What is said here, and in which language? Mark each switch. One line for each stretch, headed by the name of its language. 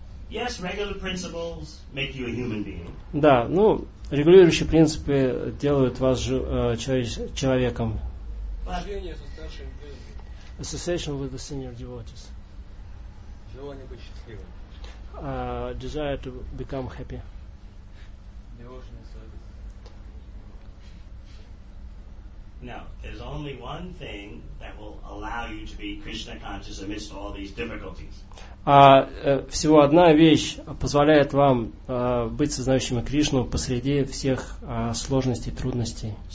English: Yes, regular principles make you a human being.
Russian: Да, ну, регулирующие принципы делают вас человеком. Общение со старшим преданным.
English: Association with the senior devotees.
Russian: Желание быть счастливым.
English: Desire to become happy. Devotional service. Now, there's only one thing that will allow you to be Krishna conscious amidst all these difficulties.
Russian: Всего одна вещь позволяет вам быть сознающими Кришну посреди всех сложностей и трудностей.